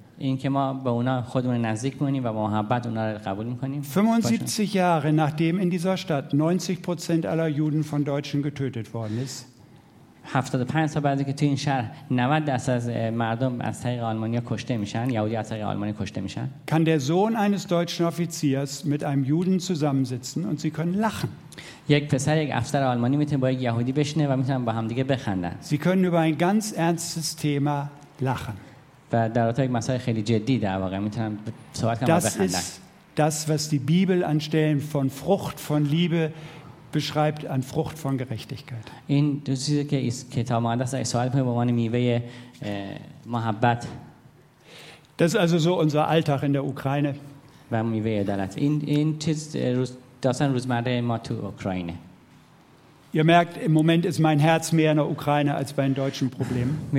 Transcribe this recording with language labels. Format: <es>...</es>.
<fa>این که ما به اونا خودمون نزدیک می‌کنیم و با محبت اونا رو قبول می‌کنیم.</fa> <de>75 Jahre nachdem in dieser Stadt 90% aller Juden von Deutschen getötet worden ist.</de> <fa>75 سال بعد که تو این شهر 90% از مردم از طریق آلمانیا کشته میشن، یهودی از طریق آلمانیا کشته میشن.</fa> <de>Kann der Sohn eines deutschen Offiziers mit einem Juden zusammensitzen und sie können lachen.</de> <fa>یک پسر یک افسر آلمانی میتونه با یک یهودی بشینه و میتونن با هم دیگه بخندن.</fa> <de>Sie können über ein ganz ernstes Thema lachen.</de> <fa>و در واقع یک مسئله خیلی جدی در واقع میتونن صحبت کنن و بخندن.</fa> <de>Das ist das was die Bibel an Stellen von Frucht von Liebe beschreibt an Frucht von Gerechtigkeit.</de> <fa>این چیزی که ایس کتاب مقدس در اسرائیل به عنوان میوه محبت.</fa> <de>Das ist also so unser Alltag in der Ukraine.</de> <fa>و میوه عدالت. این چیز داستان روزمره ما تو اوکراین.</fa> <de>Ihr merkt, im Moment ist mein Herz mehr in der Ukraine als bei den deutschen Problemen.</de>